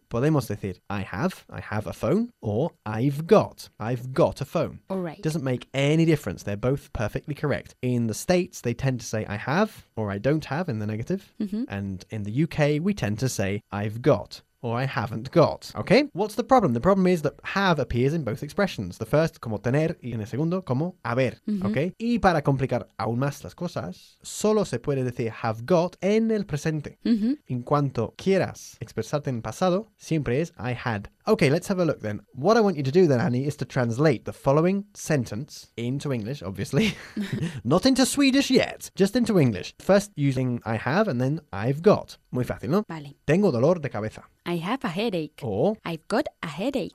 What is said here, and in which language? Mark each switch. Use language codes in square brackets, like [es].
[es] Podemos decir, [en] I have a phone, or I've got a phone. All right. Doesn't make any difference. They're both perfectly correct. In the States, they tend to say I have, or I don't have in the negative. Mm-hmm. And in the UK, we tend to say I've got. Or I haven't got. Okay? What's the problem? The problem is that have appears in both expressions. The first, [es] como tener, y en el segundo, como haber. Mm-hmm. [en] Okay? [es] Y para complicar aún más las cosas, solo se puede decir [en] have got [es] en el presente. Mm-hmm. En cuanto quieras expresarte en pasado, siempre es [en] I had. Okay, let's have a look then. What I want you to do then, Annie, is to translate the following sentence into English, obviously. Not into Swedish yet, just into English. First using I have and then I've got. [es] Muy fácil, ¿no? Vale. Tengo dolor de cabeza. [en] I have a headache. Or I've got a headache.